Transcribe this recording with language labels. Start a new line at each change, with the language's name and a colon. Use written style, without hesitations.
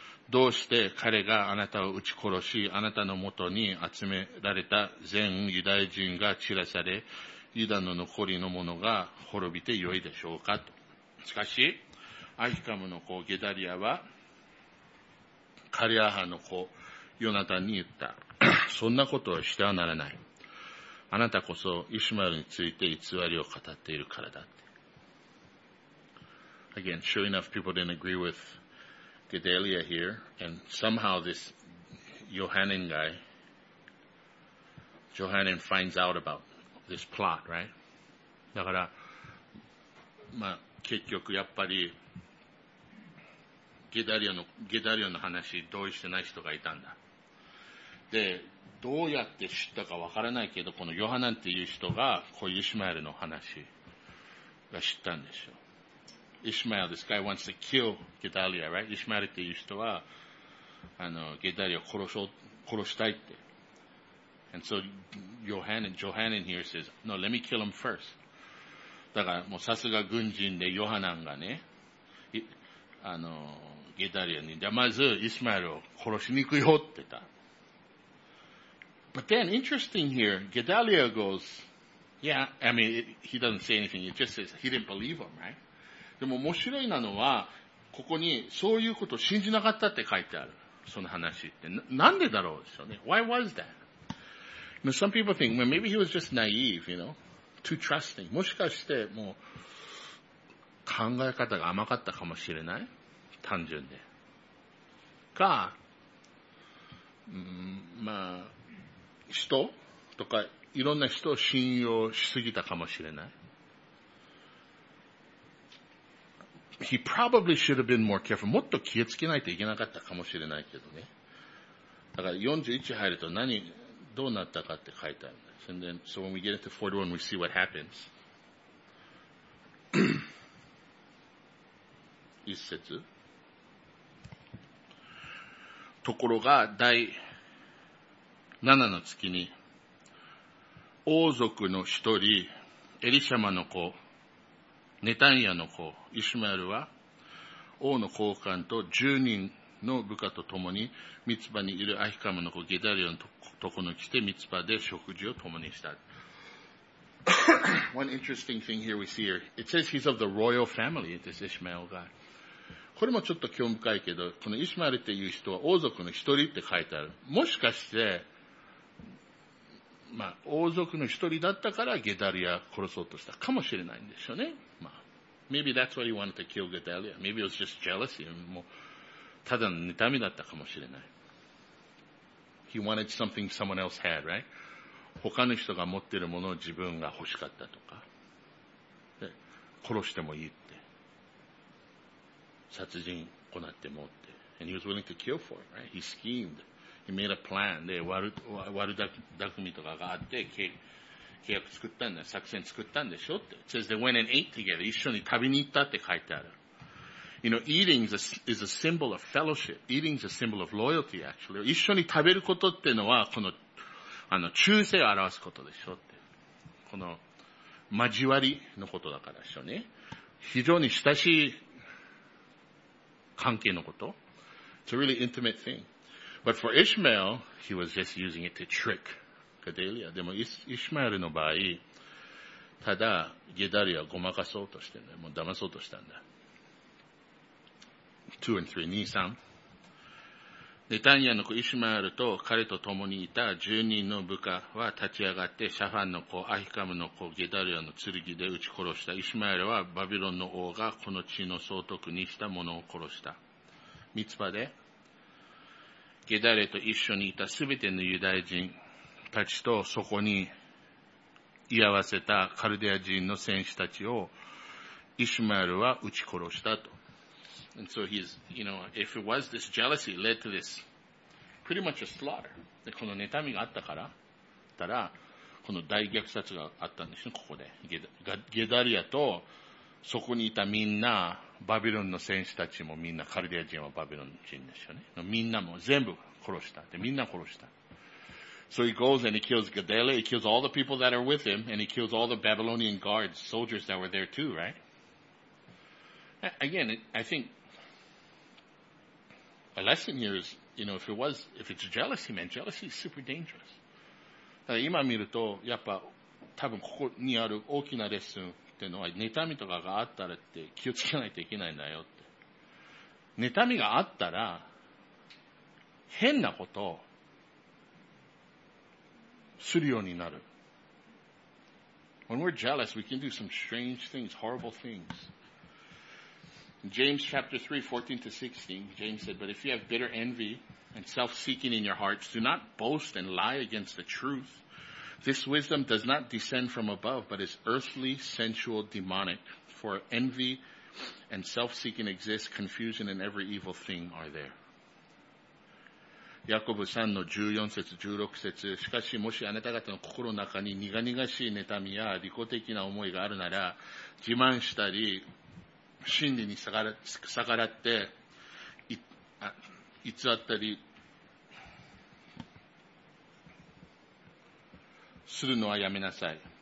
Japanese: どうして彼があなたを撃ち殺し、あなたのもとに集められた全ユダヤ人が散らされ、ユダの残りの者が滅びてよいでしょうかと。しかし、アヒカムの子ゲダリアは、カリアハの子、ヨナタンに言った。そんなことはしてはならない。あなたこそイシュマエルについて偽りを語っているからだって。
English: Again, sure enough, people didn't agree with Gedaliah here, and somehow this Johanan guy, Johanan finds out about this plot, right?
Japanese: だから、まあ、結局やっぱり、ゲダリアの話同意してない人がいたんだ。で、どうやって知ったかわからないけど、このヨハナンっていう人が、こういうイシュマエルの話が知ったんでしょう。イシュマエル、
English: this guy wants to kill Gedaliah, right?
Japanese: イシュマエルっていう人は、ゲダリアを殺したいって。
English: And so, Johanan here says, no, let me kill him first.
Japanese: だから、もうさすが軍人でヨハナンがね、ゲダリアに、じゃあまずイシュマエルを殺しに行くよって言った。
English: But then, interesting here, Gedaliah goes, yeah, I mean, he doesn't say anything, he just says he didn't believe him, right?
Japanese: でも面白いなのは、ここにそういうことを信じなかったって書いてある。その話って。なんでだろうですよね。
English: Why was that? Now, some people think, well, maybe he was just naive, you know, too trusting.
Japanese: もしかして、もう、考え方が甘かったかもしれない。単純で。か、まあ、人とか、いろんな人を信用しすぎたかもしれない。
English: He probably should have been more careful.
Japanese: もっと気をつけないといけなかったかもしれないけどね。だから41入ると何、どうなったかって書いてある。
English: And then, so when we get into 41, we see what happens.
Japanese: 一節。ところが、第7の月に、王族の一人、エリシャマの子、ネタニヤの子、イシュマエルは、王の高官と10人の部下と共に、ミツパにいるアヒカムの子、ゲダリオのとこの来て、ミツパで食事を共にした。
English: One interesting thing here we see here. It says he's of the royal family, this Ishmael guy.
Japanese: これもちょっと興味深いけど、このイシュマエルっていう人は王族の一人って書いてある。もしかして、まあ、王族の一人だったからゲダリア殺そうとしたかもしれないんでしょうね。まあ、
English: Maybe that's why he wanted to kill Gedalia. Maybe it was just jealousy.
Japanese: もうただの妬みだったかもしれない。
English: He wanted something someone else had, right?
Japanese: 他の人が持ってるものを自分が欲しかったとか。で、殺してもいいって。殺人行ってもって。
English: And he was willing to kill for it, right? He schemed. He made a plan.
Japanese: で、悪だくみとかがあって、契約作ったんだ、作戦作ったんでしょって。
English: It says they went and ate together.
Japanese: 一緒に旅に行ったって書いてある。
English: You know, eating is a symbol of fellowship. Eating is a symbol of loyalty, actually.
Japanese: 一緒に食べることってのは、この、忠誠を表すことでしょって。この、交わりのことだからでしょうね。非常に親しい関係のこと。
English: It's a really intimate thing. But for Ishmael, he was just using it to trick Gedalia.
Japanese: でも、イシュマエルの場合、ただ、ゲダリアをごまかそうとしてんだ。もう騙そうとしたんだ。
English: 2 and 3, 2, 3.
Japanese: ネタニヤの子イシュマエルと彼と共にいた10人の部下は立ち上がって、シャファンの子、アヒカムの子、ゲダリアの剣で撃ち殺した。イシュマエルはバビロンの王がこの地の総督にした者を殺した。ミツパで、ゲダレと一緒にいたすべてのユダヤ人たちとそこに居合わせたカルデア人の戦士たちをイシュマエルは撃ち殺したと。
English: And so he's, you know, if it was this jealousy led to this pretty much a slaughter.
Japanese: で、この妬みがあったから、たら、この大虐殺があったんですね、ここで。ゲダリアとそこにいたみんな、バビロンの戦士たちもみんな、カルデア人はバビロン人ですよね。みんなも全部殺した。で、みんな殺した。
English: So he goes and he kills Gedalia, he kills all the people that are with him, and he kills all the Babylonian guards, soldiers that were there too, right? Again, I think a lesson here is, you know, if it's jealousy, man, jealousy is super dangerous.
Japanese: だから今見ると、やっぱ多分ここにある大きなレッスン、ってのは妬みとかがあったらって気をつけないといけないんだよって。妬みがあったら変なことをするようになる。
English: When we're jealous, we can do some strange things, horrible things. James chapter 3, 14 to 16, James said, But if you have bitter envy and self-seeking in your hearts, do not boast and lie against the truth. This wisdom does not descend from above, but is earthly, sensual, demonic. For envy and self-seeking exist, confusion and every evil thing are there.
Japanese: ヤコブ3の14節、16節、しかしもしあなた方の心の中に苦々しい妬みや利己的な思いがあるなら、自慢したり、真理に逆らって、偽ったり、するのはやめなさい。